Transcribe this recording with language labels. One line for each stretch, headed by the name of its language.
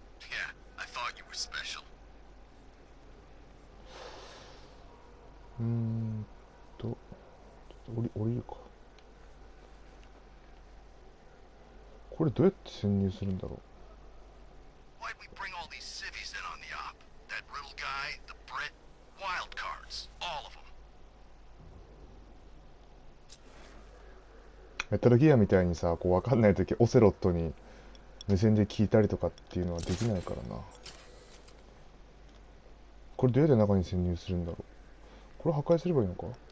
English: Yeah, I thought you were special.
Japanese: ちょっと降りるか。これどうやって潜入するんだろう。
English: Why'd we bring all these civvies in on the op? That riddle guy, the Brit, wild cards, all of them.
Japanese: メタルギアみたいにさ、こう分かんないときオセロットに無線で聞いたりとかっていうのはできないからな。これどうやって中に潜入するんだろう。これ破壊すればいいのか。